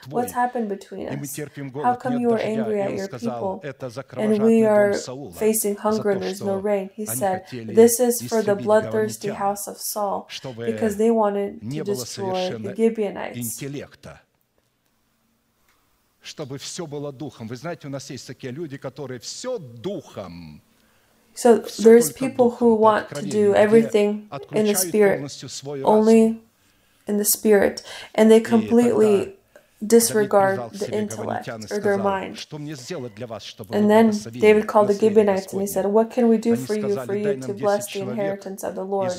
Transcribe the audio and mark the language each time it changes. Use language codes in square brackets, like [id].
[en] What's happened between us? How come you are angry at your people, and we are facing hunger and there's no rain? He said, this is for the bloodthirsty house of Saul, because they wanted to destroy the Gibeonites. [ru] Чтобы все было духом. Вы знаете, у нас есть такие люди, которые все духом. [en] So there's people who want to do everything in the spirit, only in the spirit, and they completely disregard the intellect or their mind. And then David called the Gibeonites and he said, what can we do for you to bless the inheritance of the Lord?